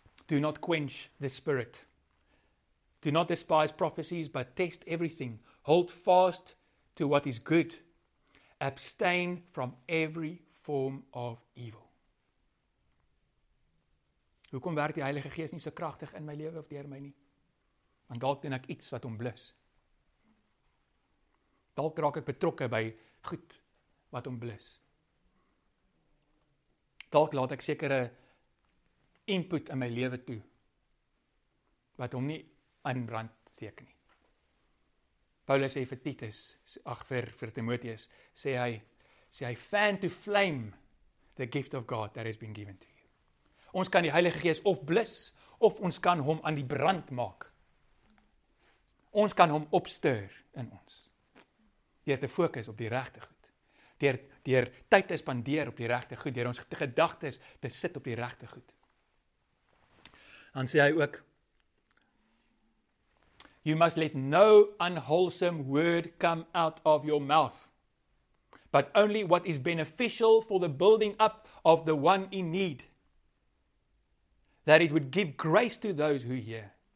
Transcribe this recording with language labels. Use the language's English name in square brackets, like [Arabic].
[English] Do not quench the Spirit. Do not despise prophecies, but test everything. Hold fast to what is good. Abstain from every form of evil. [Afrikaans] Hoekom werk die Heilige Gees nie so kragtig in my lewe of deur my nie? Want dalk doen ek iets wat hom blus. Dalk raak ek betrokke by goed wat hom blus. Dalk laat ek sekere input in my lewe toe wat hom nie aan brand steek nie. Paulus sê vir Titus, vir Timoteus, sê hy [English] fan to flame the gift of God that has been given to you. [Afrikaans] Ons kan die Heilige Gees of blus, of ons kan hom aan die brand maak. Ons kan hom opstuur in ons. Deur te fokus op die regte goed. Deur tyd te spandeer op die regte goed, deur ons gedagtes te sit op die regte goed. Dan sê hy ook, [English] you must let no unwholesome word come out of your mouth, but only what is beneficial for the building up of the one in need, that it would give grace to those who hear.